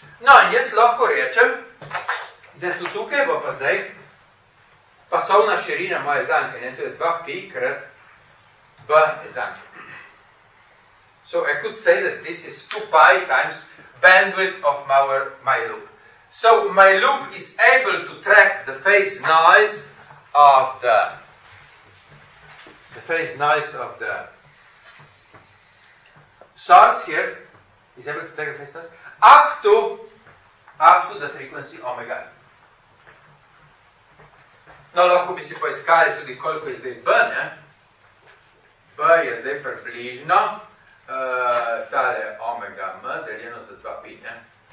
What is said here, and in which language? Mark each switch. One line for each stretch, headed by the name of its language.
Slovenian: No, in jaz lahko rečem, zdaj, tu tukaj bo pa zdaj pasovna širina moje zanke, ne? To je 2pi krat b zanke.
English: So, I could say that this is 2pi times bandwidth of my loop. So, my loop is able to track the phase noise of the phase noise of the source here, is able to track the phase noise, up to the frequency omega.
Slovenian: No, lahko bi si poiskali tudi, koliko je zdaj B, ne? B je zdaj približno tale omega M deljeno za 2pi, ne?